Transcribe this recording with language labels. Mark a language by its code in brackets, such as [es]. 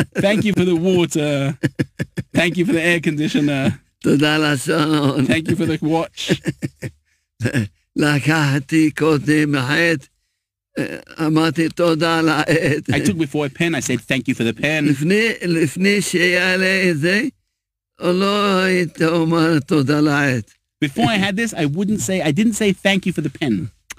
[en] Thank you for the water, thank you for the air conditioner. [he] תודה לשעון. [en] Thank you for the watch. [he] לקחתי קודם עט, אמרתי תודה לעט. [en] I took before a pen, I said thank you for the pen. [he] לפני שיעלה את זה, לא היית אומר תודה לעט. [en] Before I had this, I didn't say thank you for the pen.